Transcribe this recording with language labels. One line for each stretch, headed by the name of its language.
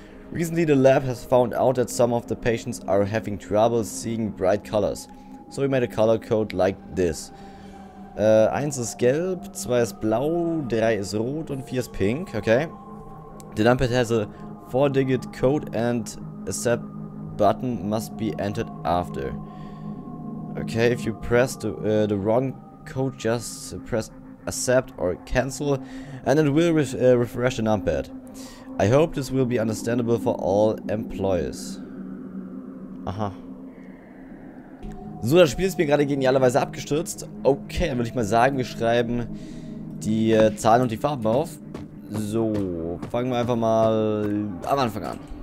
English: Recently the lab has found out that some of the patients are having trouble seeing bright colors. So we made a color code like this.
German: 1 ist gelb, 2 ist blau, 3 ist rot und 4 ist pink, okay.
English: The numpad has a 4-digit code and a set button must be entered after. Okay, if you press the wrong code, just press accept or cancel and it will refresh the numpad. I hope this will be understandable for all employees. Aha.
German: So, das Spiel ist mir gerade genialerweise abgestürzt. Okay, dann würde ich mal sagen, wir schreiben die Zahlen und die Farben auf. So, fangen wir einfach mal am Anfang an.